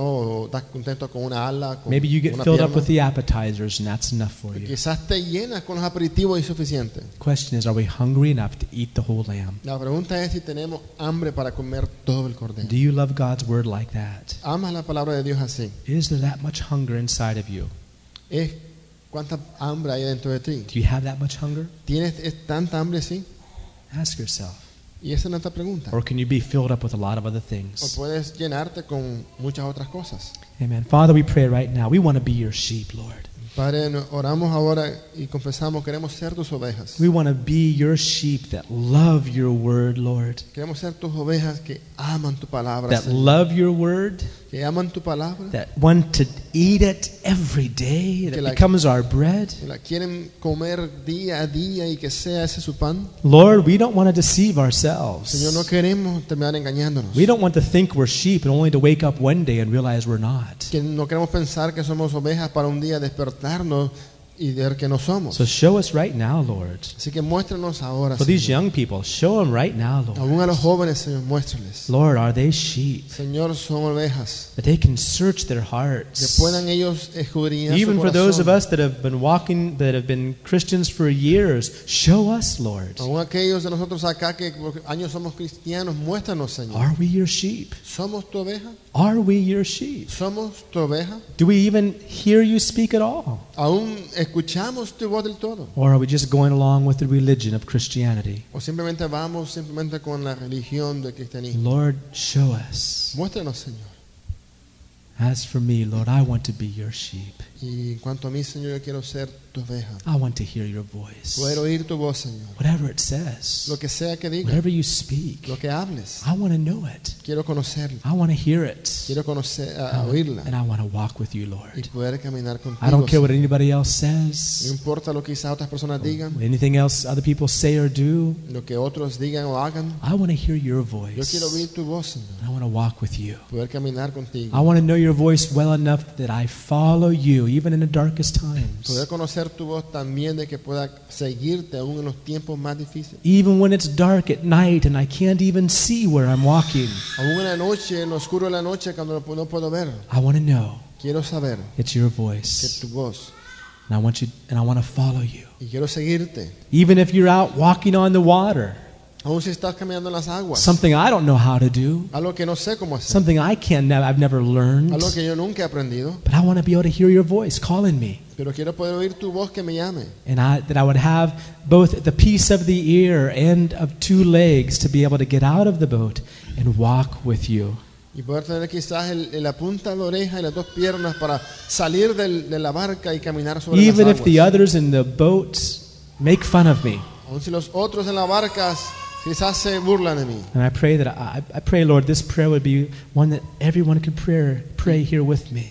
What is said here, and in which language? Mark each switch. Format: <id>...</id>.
<es>¿O estás contento con una ala, con una pierna?</es> <en>Maybe you get filled up with the appetizers and that's enough for you.</en> <es>Quizás te llenas con los aperitivos y suficiente.</es> <en>Question is, are we hungry enough to eat the whole lamb?</en> <es>La pregunta es si tenemos hambre para comer todo el cordero.</es> <en>Do you love God's word like that?</en> <es>¿Amas la palabra de Dios así?</es> <en>Is there that much hunger inside of you?</en> <es>¿Es cuánta hambre hay dentro de ti?</es> <en>Do you have that much hunger?</en> <es>¿Tienes tanta hambre, sí?</es> <en>Ask yourself.</en> <es>Y esa es nuestra pregunta.</es> <en>Or can you be filled up with a lot of other things?</en> <es>O puedes llenarte con muchas otras cosas.</es> <en>Amen. Father, we pray right now. We want to be your sheep, Lord.</en> <es>Padre, oramos ahora y confesamos, queremos ser tus ovejas.</es> <en>We want to be your sheep that love your word, Lord.</en> <es>Queremos ser tus ovejas que aman tu palabra,</es> <en>that</en> <es>Señor.</es> <en>Love your word.</en> <es>Que aman tu palabra.</es> <en>That want to eat it every day.</en> <es>Que</es> <en>that becomes our bread.</en> <es>La quieren comer día a día y que sea ese su pan.</es> <en>Lord, we don't want to deceive ourselves.</en> <es>Señor, no queremos terminar engañándonos.</es> <en>We don't want to think we're sheep and only to wake up one day and realize we're not.</en> <es>Que no queremos pensar que somos ovejas para un día despertarnos.</es> <en>So show us right now, Lord.</en> <es>Así que muéstranos ahora,</es> <en>for these young people, show them right now, Lord.</en> <es>Aún a los jóvenes, Señor, muéstrales.</es> <en>Lord, are they sheep?</en> <es>Señor, son ovejas.</es> <en>That they can search their hearts.</en> <es>Que puedan ellos escudriñar su corazón.</es> <en>Even for those of us that have been walking, that have been Christians for years, show us, Lord.</en> <es>Aún aquellos de nosotros acá que por años somos cristianos, muéstranos, Señor.</es> <en>Are we your sheep?</en> <es>¿Somos tu oveja?</es> <en>Are we your sheep?</en> <es>¿Somos tu oveja?</es> <en>Do we even hear you speak at all?</en> <es>¿Aún escuchamos tu voz del todo?</es> <en>Or are we just going along with the religion of Christianity?</en> <es>¿O simplemente vamos simplemente con la religión del cristianismo?</es> <en>Lord, show us.</en> <es>Muéstranos, Señor.</es> <en>As for me, Lord, I want to be your sheep.</en> <es>Y en cuanto a mí, Señor, yo quiero ser tu oveja.</es> <en>I want to hear your voice.</en> <es>Quiero oír tu voz, Señor.</es> <en>Whatever it says.</en> <es>Lo que sea que diga.</es> <en>Whatever you speak.</en> <es>Lo que hables.</es> <en>I want to know it.</en> <es>Quiero conocerlo.</es> <en>I want to hear it.</en> <es>Quiero conocer, oírla.</es> <en>And I want to walk with you, Lord.</en> <es>Y poder caminar contigo.</es> <en>I don't care what anybody else says.</en> <es>No importa lo que quizás otras personas digan.</es> <en>Anything else other people say or do.</en> <es>Lo que otros digan o hagan.</es> <en>I want to hear your voice.</en> <es>Yo quiero oír tu voz, Señor.</es> <en>I want to walk with you.</en> <es>Poder caminar contigo.</es> <en>I want to know your voice well enough that I follow you even in the darkest times.</en> <es>Poder conocer tu voz también de que pueda seguirte aún en los tiempos más difíciles.</es> <en>Even when it's dark at night and I can't even see where I'm walking.</en> <es>Aún en la noche, en lo oscuro de la noche cuando no puedo ver.</es> <en>I want to know.</en> <es>Quiero saber.</es> <en>It's your voice.</en> <es>Que tu voz.</es> <en>And I want you, and I want to follow you.</en> <es>Y quiero seguirte.</es> <en>Even if you're out walking on the water.</en> <es>Aún si estás caminando en las aguas.</es> <en>Something I don't know how to do.</en> <es>Algo que no sé cómo hacer.</es> <en>Something I've never learned.</en> <es>Algo que yo nunca he aprendido.</es> <en>But I want to be able to hear your voice calling me.</en> <es>Pero quiero poder oír tu voz que me llame.</es> <en>And that I would have both the peace of the ear and of two legs to be able to get out of the boat and walk with you.</en> <es>Y poder tener quizás la punta de la oreja y las dos piernas para salir de la barca y caminar sobre las aguas.</es> <en>Even if the others in the boat make fun of me.</en> <es>Aún si los otros en las barcas quizás se burlan de mí.</es> <en>And I pray that I pray, Lord, this prayer would be one that everyone could pray here with me.</en>